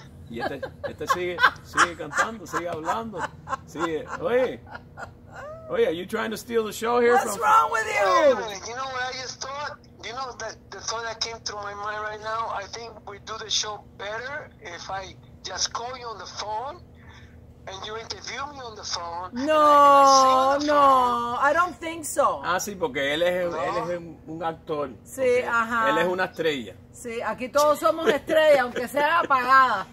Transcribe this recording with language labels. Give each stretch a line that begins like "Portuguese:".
Spanish: Y este sigue cantando, sigue hablando, sigue.
English: Oye, are you trying to steal the show here? What's wrong with you? You know what I just thought? You know the thought that came through my mind right now? I think we do the show better if I just call you on the phone and you interview me on the phone. No, I don't think so.
Spanish: Ah, sí, porque él es un actor. Sí, okay. Ajá. Él es una estrella. Sí, aquí todos somos estrella, aunque sea apagada.